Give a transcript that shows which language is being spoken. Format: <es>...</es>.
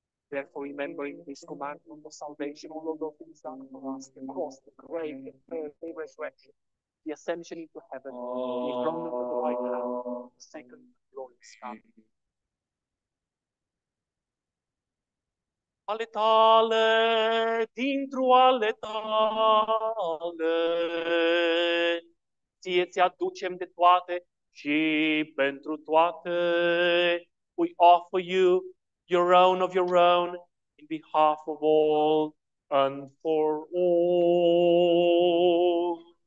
<en>Therefore, remembering this commandment of salvation, all of those things done for us, the cross, the grave, the resurrection, the ascension into heaven, the throne of the right hand, the second glorious coming.</en> <ro>Ale tale, dintr-o ale tale, ție ți-aducem de toate și pentru toate.</ro> <en>We offer you your own, in behalf of all and for all.</en>